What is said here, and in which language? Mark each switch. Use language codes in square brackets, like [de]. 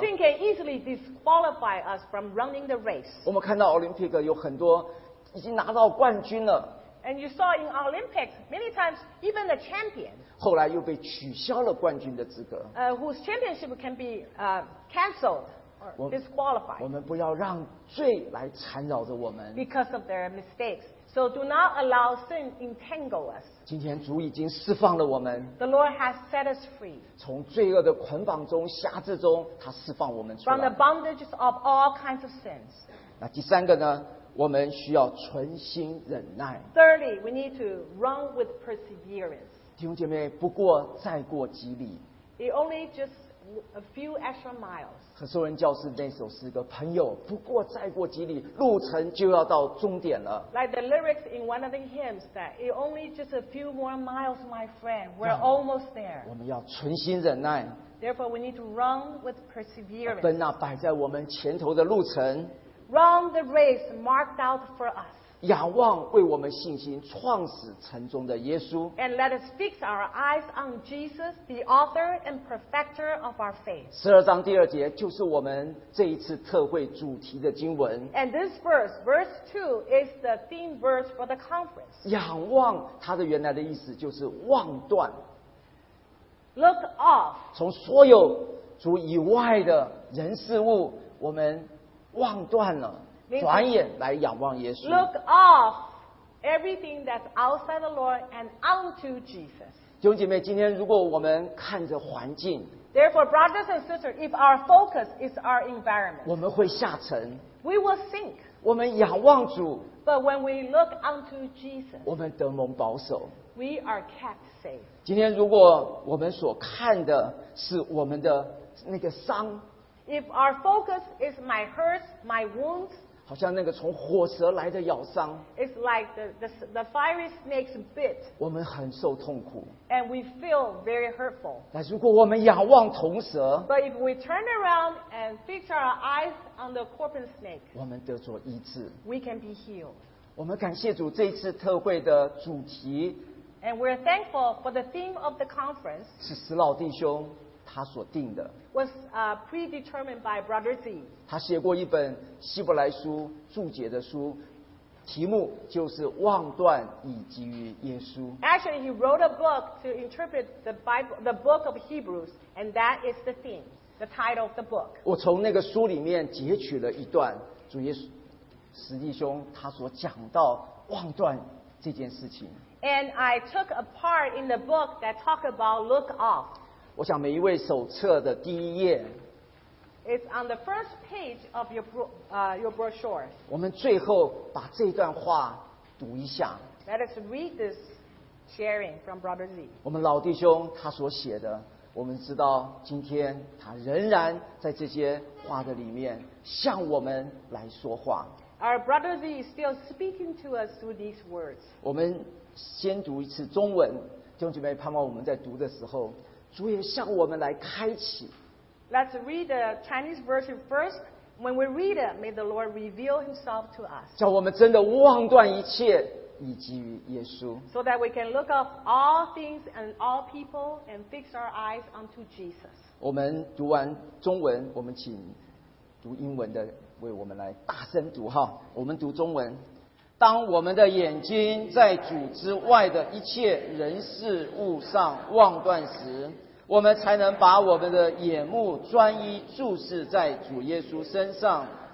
[en] Sin can easily disqualify us from running the race. [zh] 我们看到奥林匹克有很多已经拿到冠军了。 [en] And you saw in Olympics, many times, even the champion, [zh] 后来又被取消了冠军的资格, [en] whose championship can be canceled or disqualified. [zh] 我们不要让罪来缠绕着我们, [en] because of their mistakes. So do not allow sin entangle us. [zh] 今天主已经释放了我们, [en] the Lord has set us free. [zh] 从罪恶的捆绑中, 辖制中, 他释放我们出来, [en] from the bondages of all kinds of sins. [zh] 那第三个呢?我们需要存心忍耐。 [en] Thirdly, we need to run with perseverance. [zh] 弟兄姐妹, 不过再过几里。 [en] It only just a few extra miles. [zh] 很受人教是那首诗歌，朋友，不过再过几里路程就要到终点了。 [en] Like the lyrics in one of the hymns that it only just a few more miles, my friend, we're almost there. [zh] 我们要存心忍耐。 [en] Therefore, we need to run with perseverance. [zh] 奔那摆在我们前头的路程。 [en] Run the race marked out for us. [zh] 仰望为我们信心创始成终的耶稣。 [en] And let us fix our eyes on Jesus, the author and perfecter of our faith. [zh] 十二章第二节就是我们这一次特会主题的经文。 [en] And this verse, verse 2, is the theme verse for the conference. [zh] 仰望它的原来的意思就是望断。 [en] Look off. [zh] 从所有主以外的人事物，我们望断了，转眼来仰望耶稣。 [en] Look off everything that's outside the Lord and unto Jesus. [zh] 弟兄姐妹，今天如果我们看着环境 [en] ，Therefore, brothers and sisters, if our focus is our environment, [zh] 我们会下沉。 [en] We will sink. [zh] 我们仰望主 [en] ，But when we look unto Jesus, [zh] 我们得蒙保守。 [en] We are kept safe. [zh] 今天如果我们所看的是我们的那个伤。 [en] If our focus is my hurts, my wounds, [zh] 好像那个从火蛇来的咬伤 [en] it's like the fiery snake's bit. [zh] 我们很受痛苦 [en] and we feel very hurtful. [zh] 但如果我们仰望铜蛇 [en] but if we turn around and fix our eyes on the corpse snake, [zh] 我们得着医治 [en] we can be healed. [zh] 我们感谢主这一次特会的主题 [en] and we're thankful for the theme of the conference. [zh] 是史老弟兄他所定的 [en] was predetermined by Brother Z. [zh] 他写过一本希伯来书注解的书，题目就是望断以基于耶稣。 [en] Actually, he wrote a book to interpret the Bible, the book of Hebrews, and that is the theme, the title of the book. [zh] 我从那个书里面截取了一段主耶稣史弟兄他所讲到望断这件事情。 [en] And I took a part in the book that talked about look off. [zh] 我想每一位手册的第一页 [en] It's on the first page of your brochure. [zh] 我们最后把这段话读一下 [en] Let us read this sharing from Brother Z. [zh] 我们老弟兄他所写的我们知道今天他仍然在这些话的里面向我们来说话 [en] Our Brother Z is still speaking to us through these words. [zh] 我们先读一次中文弟兄姐妹盼望我们在读的时候主也向我们来开启。 [en] Let's read the Chinese version first. When we read it, may the Lord reveal Himself to us. [zh] 叫我们真的忘断一切，以基于耶稣。 [en] So that we can look up all things and all people and fix our eyes unto Jesus. [zh] 我们读完中文，我们请读英文的为我们来大声读哈。我们读中文。当我们的眼睛在主之外的一切人事物上望断时，我们才能把我们的眼目专一注视在主耶稣身上。